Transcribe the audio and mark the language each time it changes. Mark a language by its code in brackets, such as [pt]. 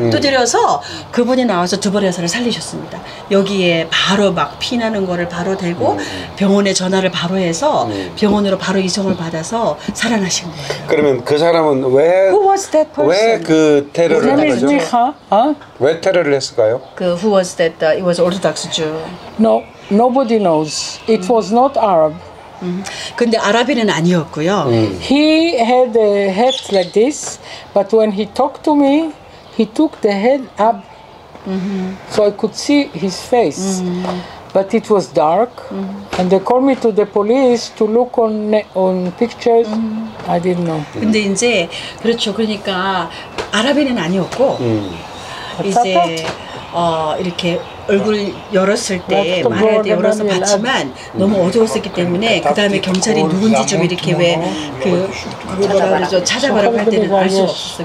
[ko] 두드려서 그분이 나와서 두발여사를 살리셨습니다. 여기에 바로 막 피나는 거를 바로 대고 병원에 전화를 바로 해서 병원으로 바로 이송을 받아서 살아나신 거예요. 그러면 그 사람은 왜 [en] Who was that person? [ko] 왜 그 테러를 한 거죠? 어? 왜 테러를 했을까요? [en] 그 Who was that? It was Orthodox Jew. No, nobody knows. It was not Arab. [ko] 근데 아랍인은 아니었고요. [en] He had a hat like this, but when he talked to me, he took the head up, so I could see his face. But it was dark, and they called me to the police to look on pictures. I didn't know. [ko] 근데 이제 그렇죠. 그러니까 아랍인은 아니었고 이제 이렇게. 얼굴 열었을 때 말할 때 열어서 봤지만 너무 어두웠었기 때문에 그 다음에 경찰이 누군지 좀 이렇게 왜 그 찾아보라고 할 때는 알 수 없었어.